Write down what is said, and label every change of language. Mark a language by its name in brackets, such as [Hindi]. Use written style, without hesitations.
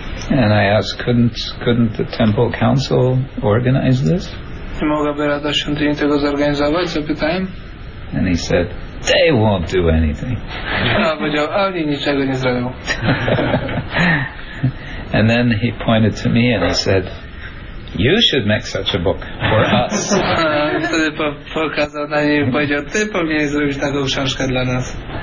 [English] And I asked, couldn't the temple council organize this? [Polish] Czy mogłaby Rada Świątyni tego zorganizować? Zapytałem. [English] And he said, they won't do anything. [Polish] A powiedział, a oni niczego nie zrobią. [English] And then he pointed to me and he said, you should make such a book for us. [Polish] I wtedy pokazał na niej i powiedział, ty powinieneś zrobić taką książkę dla nas.